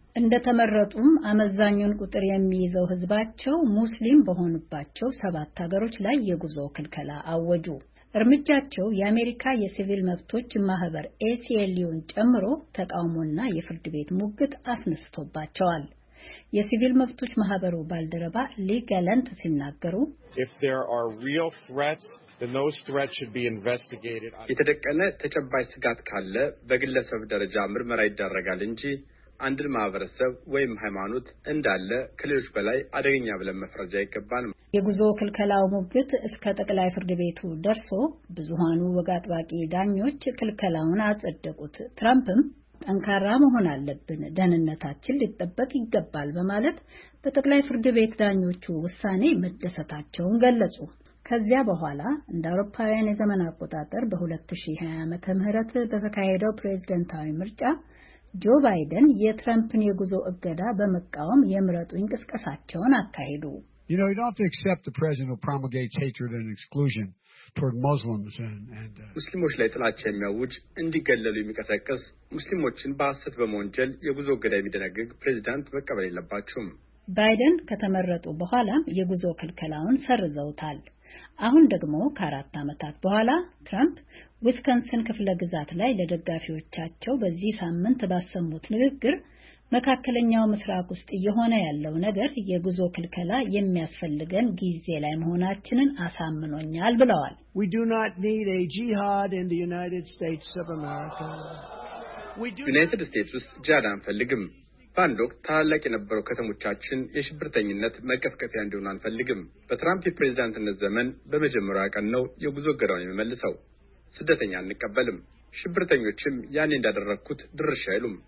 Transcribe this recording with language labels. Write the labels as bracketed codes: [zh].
[am] እንደተመረጡም አመዛኙን ቁጥር የሚይዘው ህዝባቸው ሙስሊም በሆኑባቸው 7 ሀገሮች ላይ የጉዞ ክልከላ አወጁ። እርምጃቸው የአሜሪካ የሲቪል መብቶች ማህበር ACLU ጨምሮ ተቃውሞና የፍርድ ቤት ሙግት አስነስቶባቸዋል። የሲቪል መብቶች ማህበሩ ባልደረባ ሊጋለንት ሲናገሩ [en] If there are real threats, then those threats should be investigated. [am] የተደቀነ ተጨባጭ ስጋት ካለ በግለሰብ ደረጃ ምርመራ ይደረጋል እንጂ አንድን ማህበረሰብ ወይም ሃይማኖት እንዳለ ከሌሎች በላይ አደገኛ ብለን መፍረጃ ይገባል። የጉዞ ክልከላው ሙግት እስከ ጠቅላይ ፍርድ ቤቱ ደርሶ ብዙሃኑ ወግ አጥባቂ ዳኞች ክልከላውን አጸደቁት። ትራምፕም ጠንካራ መሆን አለብን፣ ደህንነታችን ሊጠበቅ ይገባል በማለት በጠቅላይ ፍርድ ቤት ዳኞቹ ውሳኔ መደሰታቸውን ገለጹ። ከዚያ በኋላ እንደ አውሮፓውያን የዘመን አቆጣጠር በ2020 ዓ.ም በተካሄደው ፕሬዝዳንታዊ ምርጫ ጆ ባይደን የትራምፕን የጉዞ እገዳ በመቃወም የምረጡኝ ቅስቀሳቸውን አካሄዱ። [en] You know, you don't have to accept the president who promulgates hatred and exclusion toward Muslims and [am] ሙስሊሞች ላይ ጥላቻ የሚያውጅ እንዲገለሉ የሚቀሰቅስ ሙስሊሞችን በአሰት በመወንጀል የጉዞ እገዳ የሚደነግግ ፕሬዝዳንት መቀበል የለባቸውም። ባይደን ከተመረጡ በኋላም የጉዞ ክልከላውን ሰርዘውታል። አሁን ደግሞ ከአራት አመታት በኋላ ትራምፕ ዊስኮንሰን ክፍለ ግዛት ላይ ለደጋፊዎቻቸው በዚህ ሳምንት ባሰሙት ንግግር መካከለኛው ምስራቅ ውስጥ የሆነ ያለው ነገር የጉዞ ክልከላ የሚያስፈልገን ጊዜ ላይ መሆናችንን አሳምኖኛል ብለዋል። [en] We do not need a jihad in the United States of America. [am] United States ውስጥ ጂሃድ አንፈልግም። ባንድ ወቅት ታላቅ የነበረው ከተሞቻችን የሽብርተኝነት መቀፍቀፊያ እንዲሆን አንፈልግም። በትራምፕ የፕሬዝዳንትነት ዘመን በመጀመሪያ ቀን ነው የጉዞ እገዳውን የሚመልሰው። ስደተኛ አንቀበልም። ሽብርተኞችም ያኔ እንዳደረግኩት ድርሻ አይሉም።